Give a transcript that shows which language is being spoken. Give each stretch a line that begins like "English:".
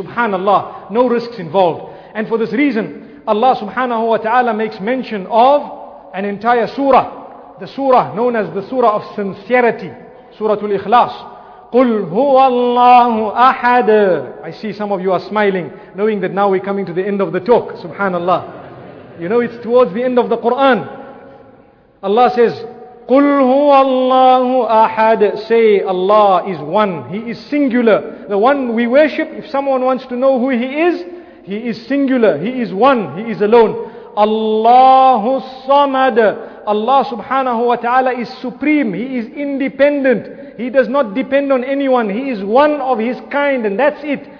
English: Subhanallah, no risks involved. And for this reason, Allah subhanahu wa ta'ala makes mention of an entire surah, the surah known as the surah of sincerity, Suratul Ikhlas.
Arabic: قُلْ هُوَ اللَّهُ أَحَدٌ.
English: I see some of you are smiling, knowing that now we're coming to the end of the talk. Subhanallah. You know, it's towards the end of the Quran. Allah says,
Arabic: قُلْ هُوَ اللَّهُ أَحَدٌ.
English: Say, Allah is one. He is singular. The one we worship, if someone wants to know who he is singular. He is one. He is alone.
Arabic: اللَّهُ الصَّمَدٌ.
English: Allah subhanahu wa ta'ala is supreme. He is independent. He does not depend on anyone. He is one of his kind and that's it.